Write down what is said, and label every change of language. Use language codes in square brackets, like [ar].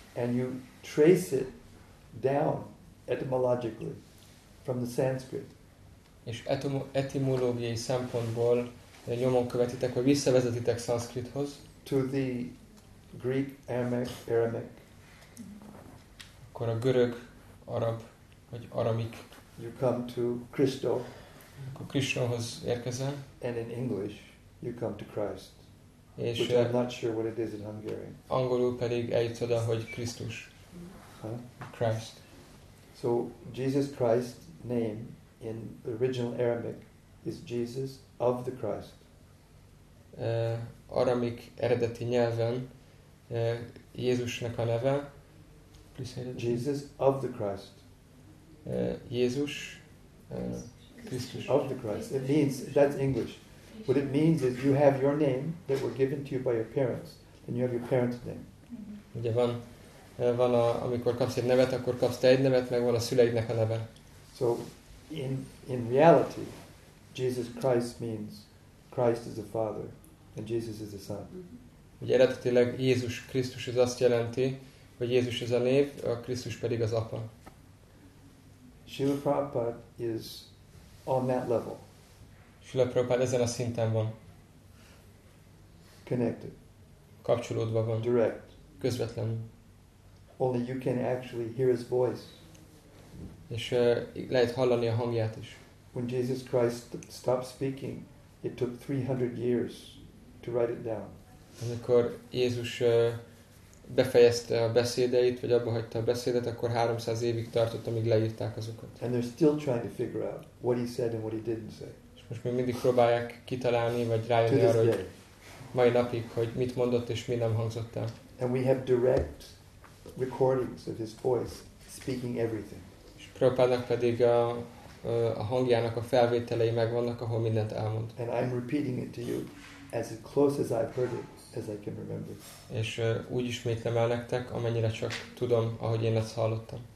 [en] and you trace it down etymologically from the Sanskrit, [hu] és etimológiai szempontból nyomon követitek, vagy visszavezetitek Sanskrithoz, [en] to the Greek Aramaic, [hu] akkor a görög, arab, vagy aramik. [en] You come to Christo. [hu] Akkor Krishnahoz érkezel. [en] And in English, you come to Christ. [hu] És [en] which I'm not sure what it is in Hungarian. [hu] Angolul pedig eljutsz oda, hogy Krisztus. Huh? [en] Christ. So, Jesus Christ's name in the original Aramaic is Jesus of the Christ. [hu] Aramik eredeti nyelven Jézusnak a neve. [en] Jesus of the Christ. [hu] Jézus, Krisztus. [en] Of the Christ. It means, that's English. What it means is you have your name that were given to you by your parents, and you have your parents' name. [hu] Ugye van, amikor kapsz egy nevet, akkor kapsz te egy nevet, meg van a szüleidnek a neve. [en] So, in reality, Jesus Christ means Christ is the Father, and Jesus is the Son. [hu] Ugye eredetileg Jézus Krisztus az azt jelenti, hogy Jézus ez a név, a Krisztus pedig az apa. [en] Srila Prabhupada is on that level. [hu] Srila Prabhupada ezen a szinten van. [en] Connected. [hu] Kapcsolódva van. [en] Direct. [hu] Közvetlenül. [en] Only you can actually hear his voice. [hu] És lehet hallani a hangját is. [en] When Jesus Christ stopped speaking, it took 300 years to write it down. [hu] Amikor Jézus befejezte a beszédeit, vagy abba hagyta a beszédet, akkor 300 évig tartott, amíg leírták azokat. [en] And they're still trying to figure out what he said and what he didn't say. [hu] És most még mindig próbálják kitalálni, vagy rájönni arra, hogy mai napig, hogy mit mondott és mi nem hangzott el. [en] And we have direct recordings of his voice speaking everything. [hu] És Prabhupádnak pedig a hangjának a felvételei megvannak, ahol mindent elmond. [en] And I'm repeating it to you as close as I've heard it. As I can remember. [hu] És úgy ismétlem el nektek, amennyire csak tudom, ahogy én ezt hallottam.